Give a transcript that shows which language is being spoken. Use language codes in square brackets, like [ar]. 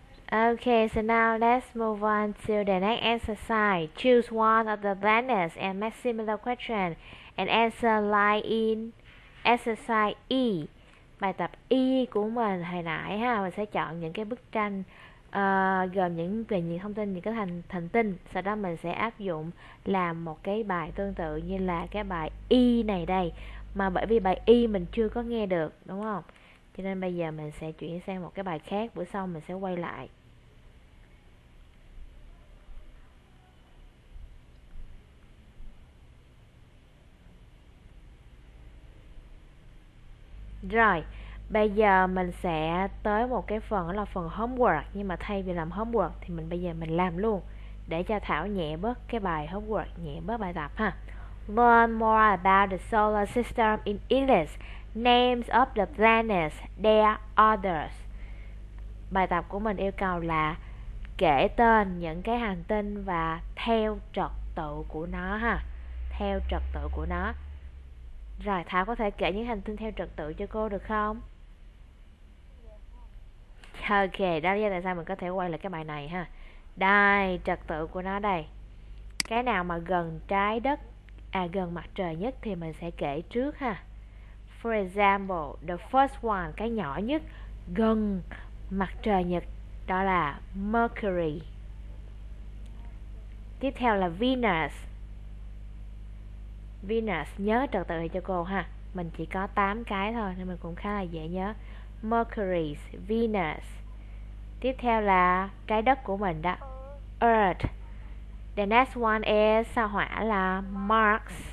[en] Ok, so now let's move on to the next exercise. Choose one of the planets and make similar question and answer like in exercise E. [vi] Bài tập E của mình hồi nãy ha, mình sẽ chọn những cái bức tranh gồm những về những thông tin, những cái thành thành tinh. Sau đó mình sẽ áp dụng làm một cái bài tương tự như là cái bài Y này đây. Mà bởi vì bài Y mình chưa có nghe được, đúng không? Cho nên bây giờ mình sẽ chuyển sang một cái bài khác. Bữa sau mình sẽ quay lại. Rồi. Bây giờ mình sẽ tới một cái phần đó là phần homework. Nhưng mà thay vì làm homework thì mình bây giờ mình làm luôn, để cho Thảo nhẹ bớt cái bài homework, nhẹ bớt bài tập ha. [en] Learn more about the solar system in English. Names of the planets, their orders. [vi] Bài tập của mình yêu cầu là kể tên những cái hành tinh và theo trật tự của nó ha. Theo trật tự của nó. Rồi, Thảo có thể kể những hành tinh theo trật tự cho cô được không? Ok, đó là tại sao mình có thể quay lại cái bài này ha. Đây, trật tự của nó đây. Cái nào mà gần trái đất, à gần mặt trời nhất thì mình sẽ kể trước ha. [en] For example, the first one, [vi] cái nhỏ nhất gần mặt trời nhật, đó là Mercury. Tiếp theo là Venus. Venus, nhớ trật tự cho cô ha. Mình chỉ có 8 cái thôi nên mình cũng khá là dễ nhớ. Mercury, Venus. Tiếp theo là trái đất của mình đó, Earth. [en] The next one is [vi] sao Hỏa là [en] Mars.